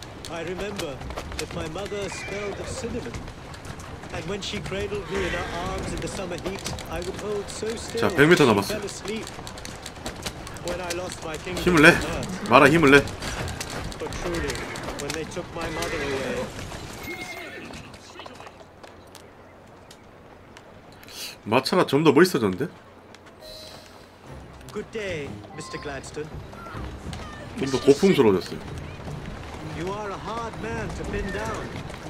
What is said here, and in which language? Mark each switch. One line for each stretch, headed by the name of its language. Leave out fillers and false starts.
English: I remember that my mother smelled of cinnamon. And when she cradled me in her arms in the summer heat, I would hold so still.
Korean: 100m 남았어.
English: When I lost my kingdom.
Korean: 힘을 내. 말아 힘을 내.
English: But truly, when they took my mother away.
Korean: 마차가 좀 더 멋있어졌는데?
English: Good day, Mr. Gladstone.
Korean: 좀 더 고풍스러워졌어요.
English: You are a hard man to pin down.